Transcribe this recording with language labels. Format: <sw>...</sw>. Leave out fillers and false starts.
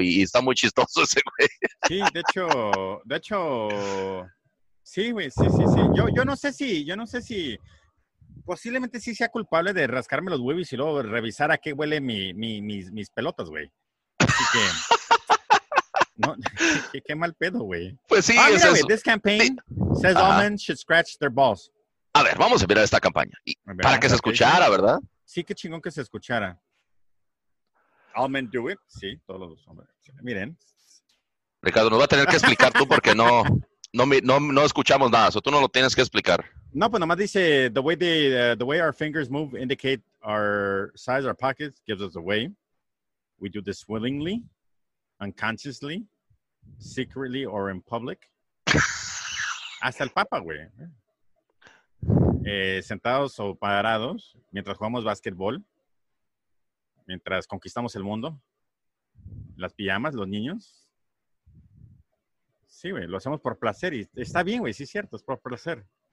<es>Y está muy chistoso ese güey. Sí, de hecho... Sí, güey, sí. Yo no sé si... Posiblemente sí sea culpable de rascarme los huevos y luego revisar a qué huele mis pelotas, güey. Así que... No, qué mal pedo, güey. Pues sí. Ah, mira, güey.</es> <en>This campaign says all men should scratch their balls.</en> <es>A ver, vamos a mirar esta campaña. Para que se escuchara, ¿verdad? Sí, qué chingón que se escuchara.</es> <en>All men do it.</en> <es>Sí, todos los hombres. Miren. Ricardo, nos va a tener que explicar tú porque no... No escuchamos nada, eso tú no lo tienes que explicar. No, pues nomás dice,</es> <en>the way our fingers move indicate our size, our pockets, gives us away. We do this willingly, unconsciously, secretly, or in public.</en> <es>Hasta el Papa, güey. Sentados o parados, mientras jugamos básquetbol, mientras conquistamos el mundo, las pijamas, los niños... Sí, güey, lo hacemos por placer y está bien, güey, sí es cierto, es por placer.</es>